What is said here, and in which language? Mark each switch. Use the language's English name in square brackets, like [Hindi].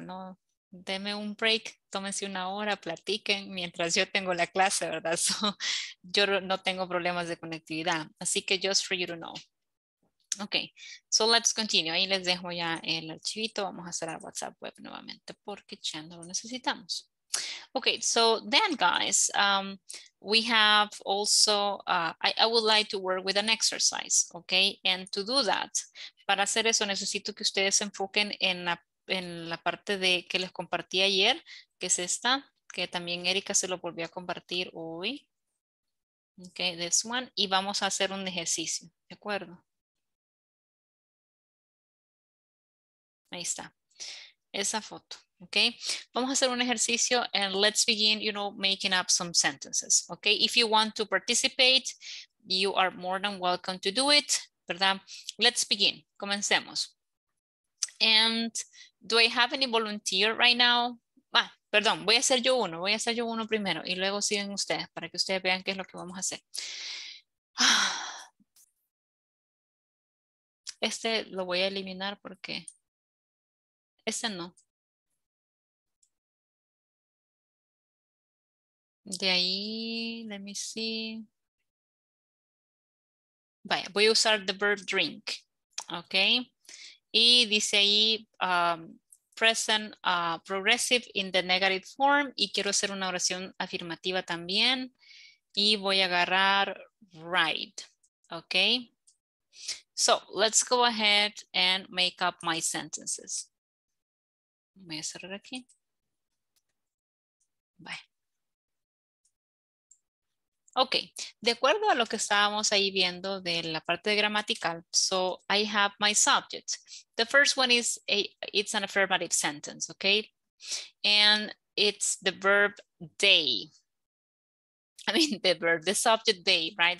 [Spanish] No, deme un break, tómense una hora, platiquen mientras yo tengo la clase, ¿verdad? So, yo no tengo problemas de conectividad. Así que, [English] just for you to know. Ok, so let's continue. [Spanish] Ahí les dejo ya el archivito. Vamos a cerrar WhatsApp web nuevamente porque ya no lo necesitamos. [English] Ok, so then guys, we have also, I would like to work with an exercise, ok? And to do that, [Spanish] para hacer eso necesito que ustedes se enfoquen en la parte de que les compartí ayer, que es esta, que también Erika se lo volvió a compartir hoy. [English] Ok, this one. [Spanish] Y vamos a hacer un ejercicio, ¿de acuerdo? Ahí está, esa foto. Okay, vamos a hacer un ejercicio [English] and let's begin, you know, making up some sentences. Okay, if you want to participate, you are more than welcome to do it, [Spanish] ¿verdad? [English] Let's begin, [Spanish] comencemos. [English] And do I have any volunteer right now? [Spanish] Ah, perdón, voy a hacer yo uno primero y luego siguen ustedes para que ustedes vean qué es lo que vamos a hacer. Este lo voy a eliminar porque este no. De ahí, [English] let me see. [Spanish] Vaya, voy a usar the verb drink, ¿ok? Y dice ahí [English] present progressive in the negative form [Spanish] y quiero hacer una oración afirmativa también y voy a agarrar ride, ¿ok? [English] So, let's go ahead and make up my sentences. [Spanish] Voy a cerrar aquí. [English] Bye. [Spanish] Ok, de acuerdo a lo que estábamos ahí viendo de la parte de gramatical, [English] so I have my subject. The first one is, it's an affirmative sentence, ok? And it's the verb day. I mean, the verb, the subject day, right?